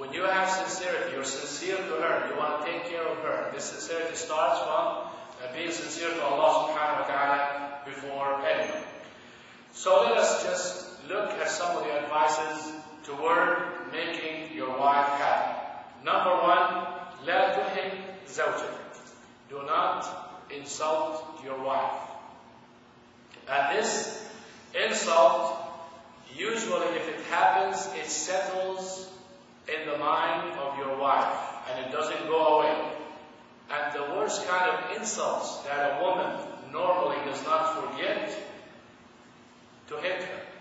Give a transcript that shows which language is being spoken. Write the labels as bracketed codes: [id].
[en] When you have sincerity, you're sincere to her, you want to take care of her. This sincerity starts from being sincere to Allah subhanahu wa ta'ala before anyone. So let us just look at some of the advices toward making your wife happy. Number one, [ar] لا تهن زوجتك. [en] Do not insult your wife. And this insult, usually if it happens, it settles in the mind of your wife and it doesn't go away. And the worst kind of insults that a woman normally does not forget, to hit her.